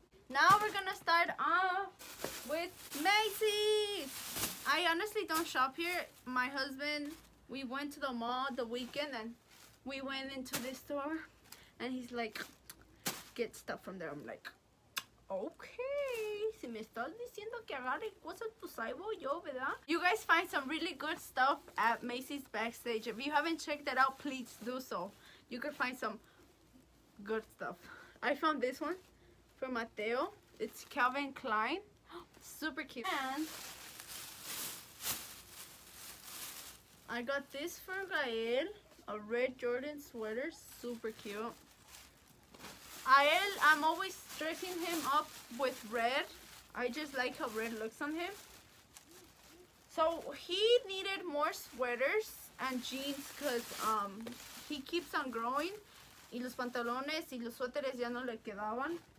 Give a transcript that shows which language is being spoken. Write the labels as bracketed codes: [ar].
[en] Now we're going to start off with Macy's. I honestly don't shop here. My husband, we went to the mall the weekend and we went into this store. And he's like, get stuff from there. I'm like, okay. [es] Si me estás diciendo que agarre cosas, pues ahí voy yo, ¿verdad? [en] You guys find some really good stuff at Macy's Backstage. If you haven't checked that out, please do so. You can find some good stuff. I found this one for Mateo. It's Calvin Klein. Super cute. And I got this for Gael, a red Jordan sweater, super cute. Gael, I'm always dressing him up with red. I just like how red looks on him. So he needed more sweaters and jeans because he keeps on growing. [es] Y los pantalones y los suéteres ya no le quedaban.